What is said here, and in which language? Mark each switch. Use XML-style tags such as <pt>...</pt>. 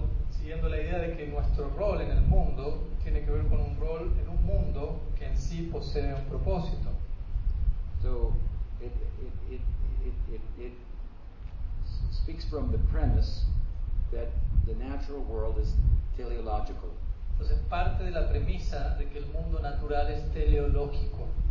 <es>Siguiendo la idea de que nuestro rol en el mundo tiene que ver con un rol en un mundo que en sí posee un propósito.</es> <en>So it speaks from the premise that the natural world is teleological.</en> <es>Entonces parte de la premisa de que el mundo natural es teleológico.</es>